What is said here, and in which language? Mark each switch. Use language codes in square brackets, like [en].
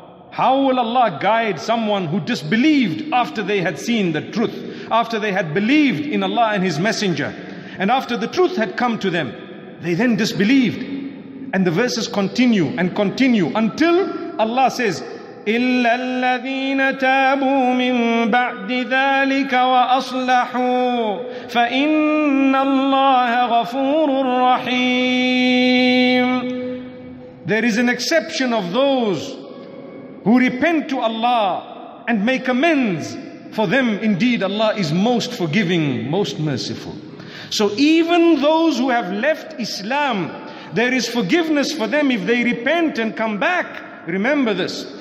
[en] How will Allah guide someone who disbelieved after they had seen the truth, after they had believed in Allah and His Messenger, and after the truth had come to them, they then disbelieved. And the verses continue and continue until Allah says, [ar] إِلَّا الَّذِينَ تَابُوا مِن بَعْدِ ذَٰلِكَ وَأَصْلَحُوا فَإِنَّ اللَّهَ غَفُورٌ رَحِيمٌ. [en] There is an exception of those who repent to Allah and make amends. For them, indeed, Allah is most forgiving, most merciful. So even those who have left Islam, there is forgiveness for them if they repent and come back. Remember this.